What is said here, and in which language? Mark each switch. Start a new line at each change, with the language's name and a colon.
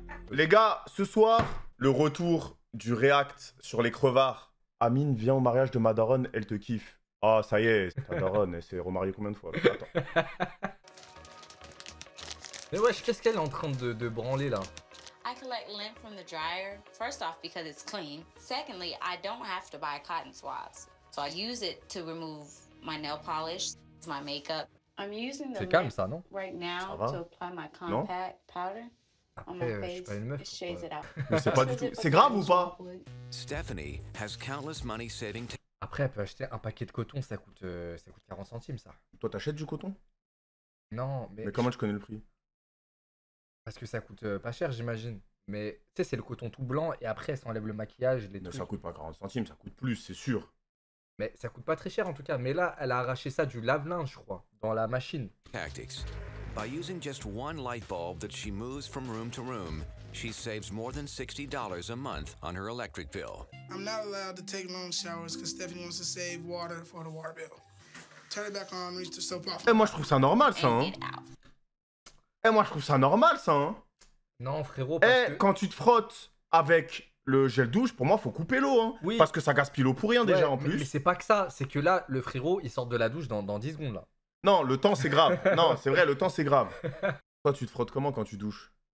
French: Les gars, ce soir, le retour du React sur les crevards. Amine vient au mariage de ma daronne, elle te kiffe. Ah, ça y est, ta daronne, elle s'est remariée combien de fois? Attends. Mais wesh, qu'est-ce qu'elle est en train de branler, là?
English: I collect lint from the dryer, first off because it's clean. Secondly, I don't have to buy cotton swabs. So I use it to remove my nail polish, my makeup. I'm using the
French: calme, ça, non?
English: Right now to apply my compact powder on my face.
French: Meuf,
English: it shades it out.
French: Mais c'est pas du tout. C'est grave ou pas?
English: Stephanie has countless money saving.
French: Après, elle peut acheter un paquet de coton, ça coûte 40 centimes, ça. Toi, t'achètes du coton? Non, mais. Mais comment je connais le prix? Parce que ça coûte pas cher, j'imagine. Mais tu sais, c'est le coton tout blanc et après, ça enlève le maquillage. Les ça coûte pas 40 centimes, ça coûte plus, c'est sûr. Mais ça coûte pas très cher en tout cas. Mais là, elle a arraché ça du lave-linge, je crois, dans la machine.
English: Tactics. By using just one light bulb that she moves from room to room, she saves more than $60 a month on her electric bill. I'm not allowed to take long showers because Stephanie wants to save water for the water bill. Turn it back on, reach the soap off.
French: Moi, je trouve ça normal, ça. Hein. Eh, moi, je trouve ça normal, ça, hein. Non, frérot, parce que... quand tu te frottes avec le gel douche, pour moi, faut couper l'eau, hein. Oui. Parce que ça gaspille l'eau pour rien, ouais, déjà, mais en plus. Mais c'est pas que ça. C'est que là, le frérot, il sort de la douche dans 10 secondes, là. Non, le temps, c'est grave. Non, c'est vrai, le temps, c'est grave. Toi, tu te frottes comment quand tu douches?